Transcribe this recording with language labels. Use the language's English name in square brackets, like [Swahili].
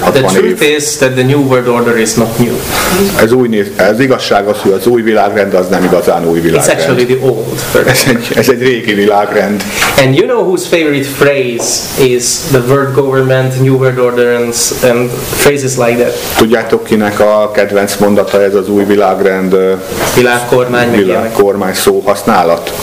[English] év. The truth is that the New World Order is not new. [Hungarian] Ez igazság az, hogy az új világrend az nem igazán új világrend. [English] It's actually the old. [Hungarian] Ez egy régi világrend. [English] And you know whose favorite phrase is the world government, New World Order and phrases like that. [Hungarian] Tudjátok, kinek a kedvenc mondata ez az új világrend? Világkormány. Világkormány szó használat.